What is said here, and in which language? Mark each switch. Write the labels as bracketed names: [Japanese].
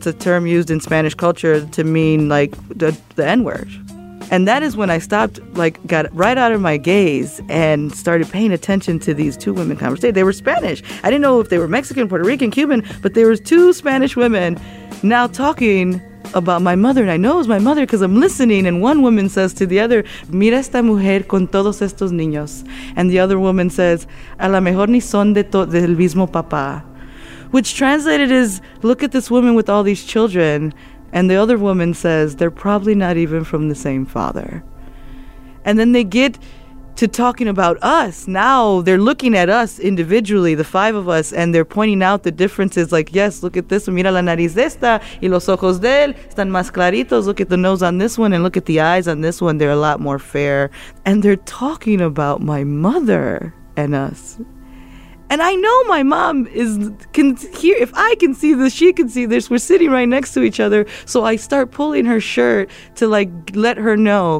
[English] It's a term used in Spanish culture to mean like the N-word. And that is when I stopped, like got right out of my gaze and started paying attention to these two women conversation. They were Spanish. I didn't know if they were Mexican, Puerto Rican, Cuban, but there was two Spanish women now talking about my mother, and I know it was my mother because I'm listening. And one woman says to the other, mira esta mujer con todos estos niños. And the other woman says, a lo mejor ni son de del mismo papá, which translated is, look at this woman with all these children. And the other woman says, they're probably not even from the same father. And then they get to talking about us. Now they're looking at us individually, the five of us, and they're pointing out the differences. Like, yes, look at this one. [Spanish] Mira la nariz de esta y los ojos de él están más claritos. [English] Look at the nose on this one, and look at the eyes on this one. They're a lot more fair. And they're talking about my mother and us. And I know my mom can hear. If I can see this, she can see this. We're sitting right next to each other. So I start pulling her shirt to, like, let her know.